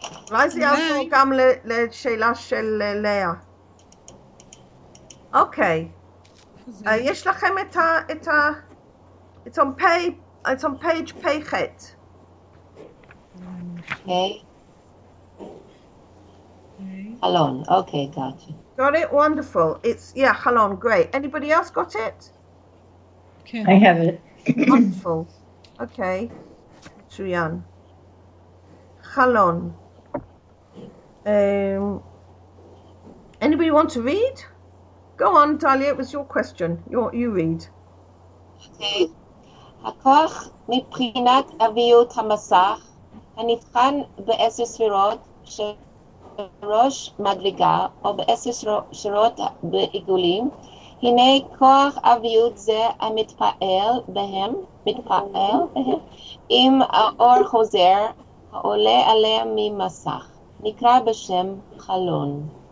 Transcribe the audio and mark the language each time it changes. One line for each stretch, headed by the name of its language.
Hebrew: אולי זה יעזור גם לשאלה של לאה. אוקיי. יש לכם את
English: it's on page
Hebrew: פחת.
English: חלון, okay, gotcha. Got it, wonderful. It's yeah, חלון, great. Anybody else got it? Okay. I have it. Wonderful. Okay. שויין. חלון. Anybody want to read? Go on, Talia, it was your question. You read.
Hebrew: הכוח מבחינת אביות המסך הנבחן בעשר ספירות שראש מדרגה או בעשר ספירות בעיגולים, הנה כוח אביות זה המתפעל בהם, מתפעל בהם, עם האור חוזר העולה עליה ממסך, נקרא בשם חלון.